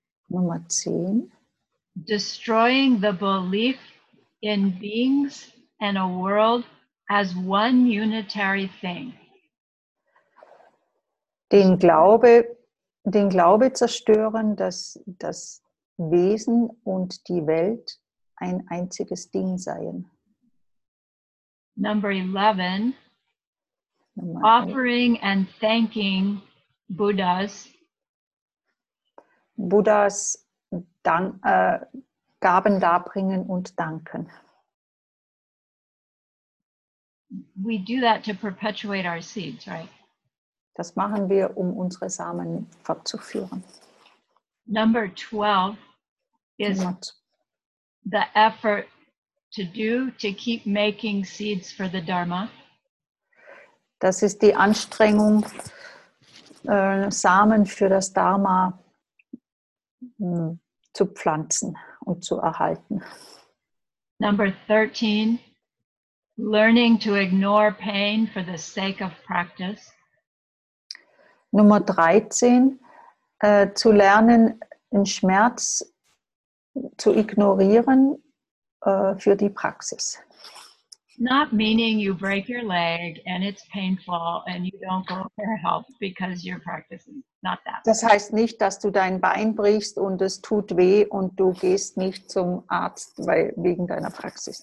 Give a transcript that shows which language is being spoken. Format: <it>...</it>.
<en>Number 10, destroying the belief in beings and a world as one unitary thing.</en> <de>Den Glaube zerstören, dass das Wesen und die Welt ein einziges Ding seien.</de> <en>Number 11, offering and thanking Buddhas.</en> <de>Buddhas Gaben darbringen und danken.</de> <en>We do that to perpetuate our seeds, right?</en> <de>Das machen wir, um unsere Samen fortzuführen.</de> <en>Number 12 is the effort to do to keep making seeds for the Dharma.</en> <de>Das ist die Anstrengung, Samen für das Dharma zu pflanzen und zu erhalten.</de> <en>Number 13, learning to ignore pain for the sake of practice.</en> <de>Nummer 13, zu lernen, den Schmerz zu ignorieren für die Praxis.</de> <en>Not meaning you break your leg and it's painful and you don't go for help because you're practicing. Not that.</en> <de>Das heißt nicht, dass du dein Bein brichst und es tut weh und du gehst nicht zum Arzt weil, wegen deiner Praxis.</de>